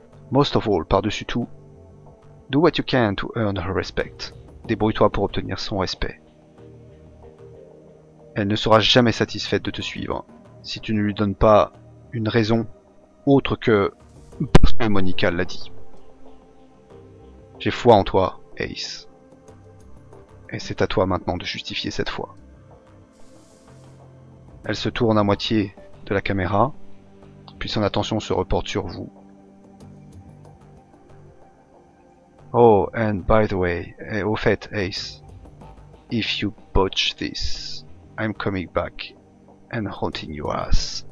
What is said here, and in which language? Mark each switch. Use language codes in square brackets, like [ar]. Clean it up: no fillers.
[en] Most of all, [fr] par-dessus tout, [en] do what you can to earn her respect. [fr] Débrouille-toi pour obtenir son respect. Elle ne sera jamais satisfaite de te suivre si tu ne lui donnes pas une raison autre que parce que Monica l'a dit. J'ai foi en toi, Ace. Et c'est à toi maintenant de justifier cette foi. Elle se tourne à moitié de la caméra, puis son attention se reporte sur vous. [en] Oh, and by the way, [fr] au fait, [en] Ace, if you botch this, I'm coming back and haunting your ass.